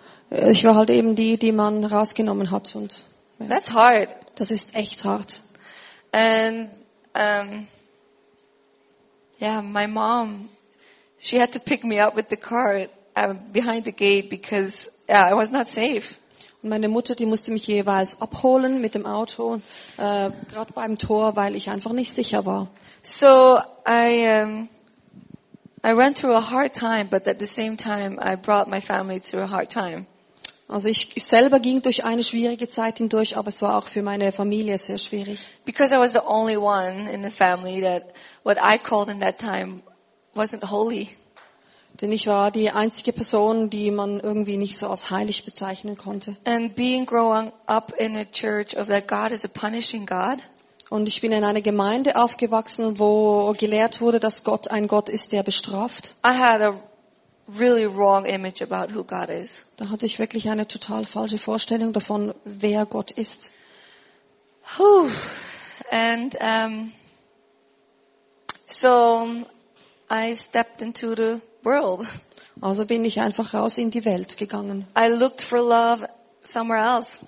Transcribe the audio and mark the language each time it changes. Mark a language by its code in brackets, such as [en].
[de] Ich war halt eben die, die man rausgenommen hat. Und, [en] ja. That's hard. [de] Das ist echt hart. [en] And yeah, my mom, she had to pick me up with the car behind the gate because yeah, I was not safe. [de] Und meine Mutter, die musste mich jeweils abholen mit dem Auto, gerade beim Tor, weil ich einfach nicht sicher war. [en] So I went through a hard time, but at the same time I brought my family through a hard time. [de] Also ich selber ging durch eine schwierige Zeit hindurch, aber es war auch für meine Familie sehr schwierig. [en] Because I was the only one in the family that what I called in that time wasn't holy. [de] Denn ich war die einzige Person, die man irgendwie nicht so als heilig bezeichnen konnte. [en] And being growing up in a church of that God is a punishing God. [de] Und ich bin in einer Gemeinde aufgewachsen, wo gelehrt wurde, dass Gott ein Gott ist, der bestraft. [en] I had a really wrong image about who God is. [de] Da hatte ich wirklich eine total falsche Vorstellung davon, wer Gott ist. Whew. [en] And so I stepped into the world. [de] Also bin ich einfach raus in die Welt gegangen. [en] I looked for love somewhere else.